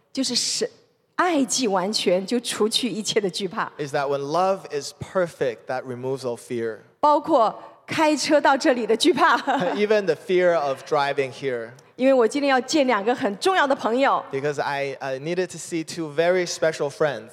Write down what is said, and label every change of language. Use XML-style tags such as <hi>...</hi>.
<zh>就是爱既完全就除去一切的惧怕。</zh> <en>Is that when love is perfect, that removes all fear.</en> <zh>包括开车到这里的惧怕。</zh> <en>Even the fear of driving here.</en> <zh>因为我今天要见两个很重要的朋友。</zh> <en>Because I needed to see two very special friends.</en>